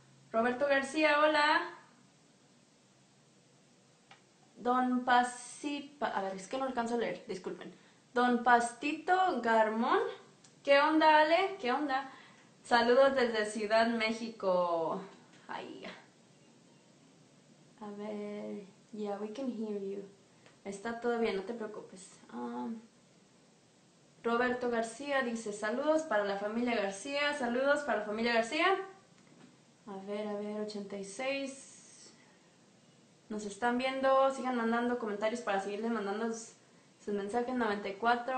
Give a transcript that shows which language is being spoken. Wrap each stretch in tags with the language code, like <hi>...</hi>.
<es>Roberto García, hola. Don Pasipa, a ver, es que no alcanzo a leer, disculpen. Don Pastito Garmón, ¿qué onda, Ale? ¿Qué onda? Saludos desde Ciudad México. Ay, a ver,</es> <en>yeah, we can hear you.</en> <es>Está todo bien, no te preocupes. Roberto García dice, saludos para la familia García, saludos para la familia García. A ver, 86. Nos están viendo, sigan mandando comentarios para seguirle mandando sus mensajes, 94.</es>